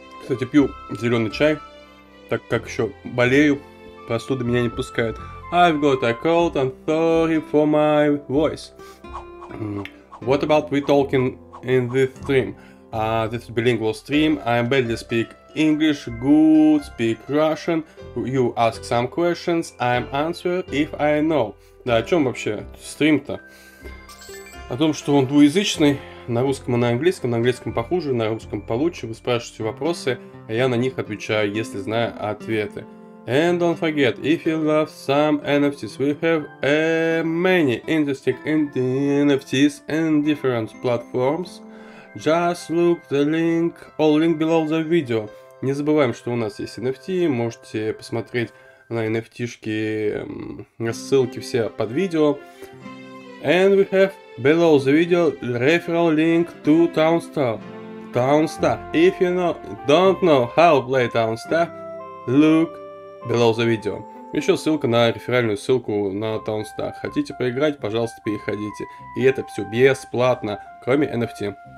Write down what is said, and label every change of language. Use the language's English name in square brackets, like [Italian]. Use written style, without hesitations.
[Russian] кстати, пью зеленый чай, так как еще болею, простуды меня не пускают. [English] I've got a cold and sorry for my voice. What about we talking in this stream? This is bilingual stream. I barely speak English, good speak Russian. You ask some questions, I'm answer if I know. [Russian] Да, о чем вообще стрим-то? О том, что он двуязычный, на русском и на английском похуже, на русском получше. Вы спрашиваете вопросы, а я на них отвечаю, если знаю ответы. [English] And don't forget, if you love some NFTs, we have many interesting NFTs in different platforms. Just look the link, all link below the video. [Russian] Не забываем, что у нас есть NFT, можете посмотреть на NFT-шки, ссылки все под видео. [English] And we have below the video referral link to TownStar. TownStar, if you know, don't know how to play TownStar, look below the video. [Russian] Еще ссылка на реферальную ссылку на TownStar. Хотите поиграть, пожалуйста, переходите. И это все бесплатно, кроме NFT.